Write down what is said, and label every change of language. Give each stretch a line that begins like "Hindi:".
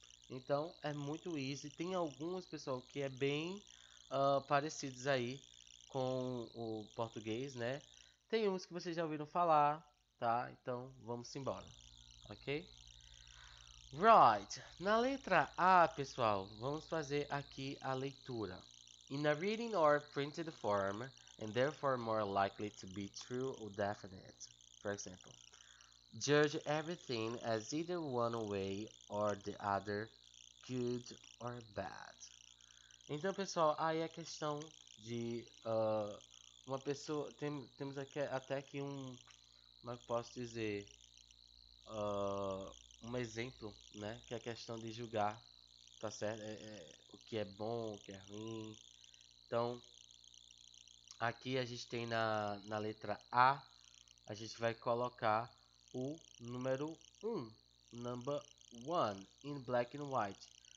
Portuguese: Então é muito easy. Tem alguns, pessoal, que é bem parecidos aí com o português, né? Tem uns que vocês já ouviram falar, tá? Então vamos embora. Ok? Right. Na letra A, pessoal, vamos fazer aqui a leitura.
English: In a written or printed form, and therefore more likely to be true or definite. For example, judge everything as either one way or the other, good or bad.
Portuguese: Então, pessoal, aí a questão de uma pessoa. Temos aqui, até aqui um. Como é que posso dizer? Um exemplo, né? Que é a questão de julgar, tá certo? O que é bom, o que é ruim. Então, aqui a gente tem na letra A, a gente vai colocar o número 1, number 1, in black and white.